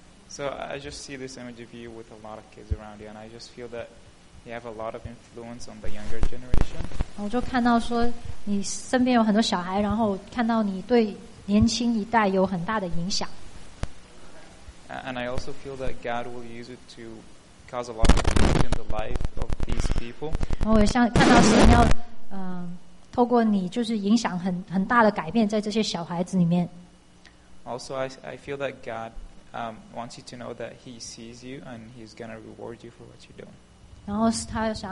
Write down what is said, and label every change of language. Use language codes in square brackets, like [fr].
[en] So I just see this image of you with a lot of kids around you, and I just feel that you have a lot of influence on the younger generation. [zh] 我就看到说你身边有很多小孩，然后看到你对年轻一代有很大的影响。 [en] And I also feel that God will use it to cause a lot of change in the life of these people. [zh] 然后我像看到神要 透过你就是影响很大的改变在这些小孩子里面。 [en] Also, I feel that God wants you to know that He sees you and He's going to reward you for what you're doing.